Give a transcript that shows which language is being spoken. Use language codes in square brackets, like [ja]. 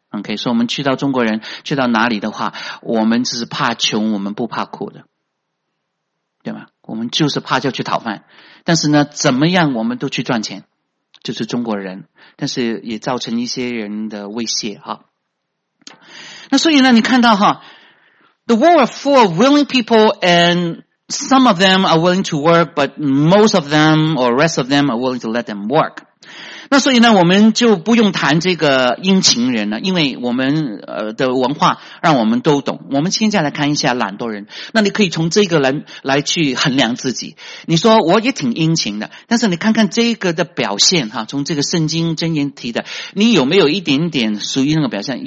[zh] OK， 所以我们去到中国人去到哪里的话，我们只是怕穷，我们不怕苦的，对吧？我们就是怕就去讨饭，但是呢，怎么样我们都去赚钱，就是中国人，但是也造成一些人的威胁哈。那所以呢，你看到哈 [en] ，the world are full of willing people and some of them are willing to work, but most of them or rest of them are willing to let them work。 [zh] 那所以呢，我们就不用谈这个殷勤人了，因为我们的文化让我们都懂。我们现在来看一下懒惰人，那你可以从这个人来去衡量自己。你说我也挺殷勤的，但是你看看这个的表现哈，从这个圣经箴言提的，你有没有一点点属于那个表现？